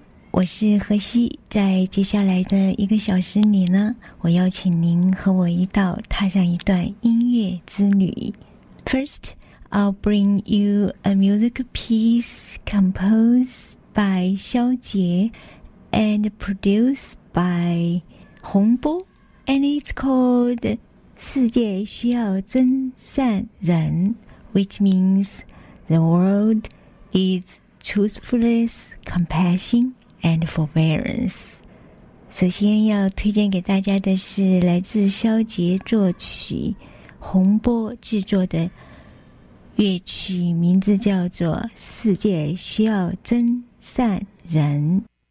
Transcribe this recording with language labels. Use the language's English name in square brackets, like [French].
[Chinese] 我是何西，在接下来的一个小时里呢，我邀请您和我一道踏上一段音乐之旅。 [English] First, I'll bring you a music piece composed by 萧杰 and produced by 洪波。 And it's called 世界需要真善人 which means the world needs truthfulness, compassion, and forbearance. [Chinese] 首先要推荐给大家的是来自萧杰作曲洪波制作的乐曲，名字叫做世界需要真善人。